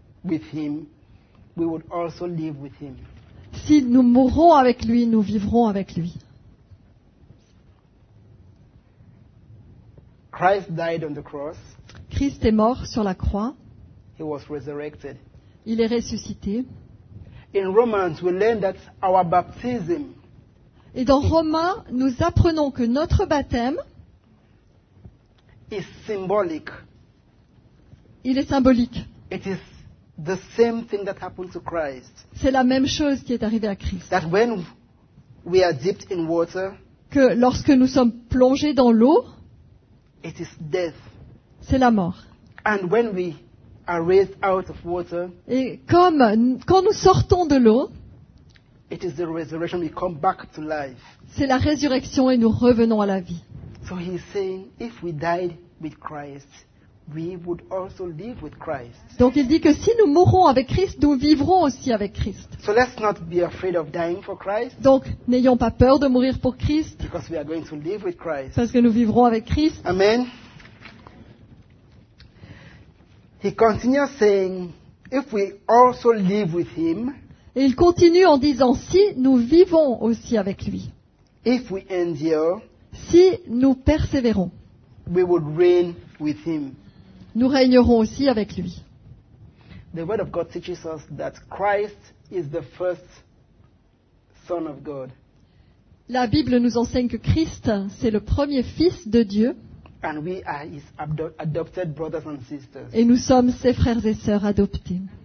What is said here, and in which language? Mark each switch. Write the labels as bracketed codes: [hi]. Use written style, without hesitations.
[en] with him, we would also live with him. [fr] Si nous mourrons avec lui, nous vivrons avec lui. [en] Christ died on the cross. [fr] Christ est mort sur la croix. [en] He was resurrected. [fr] Il est ressuscité. [en] In Romans, we learn that our baptism. [fr] Et dans Romains, nous apprenons que notre baptême [en] is symbolic. [fr] Il est symbolique. [en] It is the same thing that happened to Christ. [fr] C'est la même chose qui est arrivée à Christ. [en] That when we are dipped in water, [fr] que lorsque nous sommes plongés dans l'eau, [en] it is death. [fr] C'est la mort. [en] And when we are raised out of water, [fr] et comme quand nous sortons de l'eau, [en] it is the resurrection. We come back to life. [fr] C'est la résurrection et nous revenons à la vie. [en] So he is saying, if we died with Christ, we would also live with Christ. [fr] Donc il dit que si nous mourons avec Christ, nous vivrons aussi avec Christ. [en] So let's not be afraid of dying for Christ. [fr] Donc n'ayons pas peur de mourir pour Christ. [en] Because we are going to live with Christ. [fr] Parce que nous vivrons avec Christ. [en] Amen. He continues saying, if we also live with him. [fr] Et il continue en disant, si nous vivons aussi avec lui. [en] If we endure. [fr] Si nous persévérons. [en] We would reign with him. [fr] Nous régnerons aussi avec lui. [en] The word of God teaches us that Christ is the first son of God. [fr] La Bible nous enseigne que Christ, c'est le premier fils de Dieu. [en] And we are his adopted brothers and sisters. [fr] Et nous sommes ses frères et sœurs adoptés.